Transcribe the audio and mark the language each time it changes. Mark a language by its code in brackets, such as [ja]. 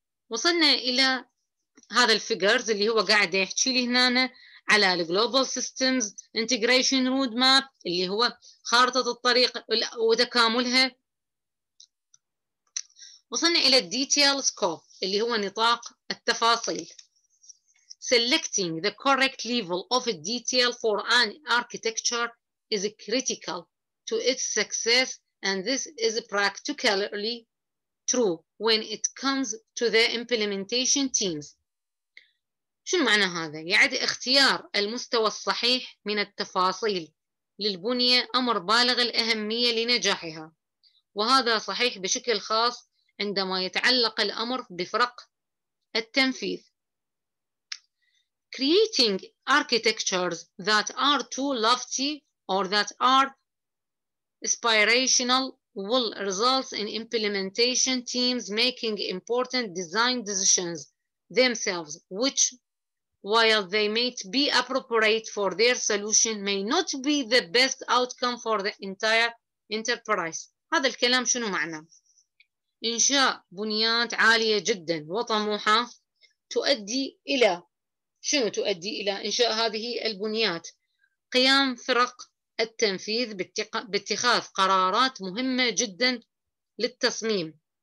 [ar] وصلنا إلى هذا الفيجرز اللي هو قاعد يحكي لي هنا على الـ Global Systems Integration Roadmap اللي هو خارطة الطريق وتكاملها. وصلنا إلى الـ Detail Scope اللي هو نطاق التفاصيل. [en] Selecting the correct level of detail for an architecture is critical to its success and this is practically true when it comes to the implementation teams. [ar] شو معنى هذا؟ يعد اختيار المستوى الصحيح من التفاصيل للبنية أمر بالغ الأهمية لنجاحها، وهذا صحيح بشكل خاص عندما يتعلق الأمر بفرق التنفيذ. [en] Creating architectures that are too lofty or that are aspirational will result in implementation teams making important design decisions themselves, which while they may be appropriate for their solution, may not be the best outcome for the entire enterprise. [ar] هذا الكلام شنو معنى؟ إنشاء بنيات عالية جدا وطموحة تؤدي إلى شنو؟ تؤدي إلى إنشاء هذه البنيات قيام فرق التنفيذ باتخاذ قرارات مهمة جدا للتصميم،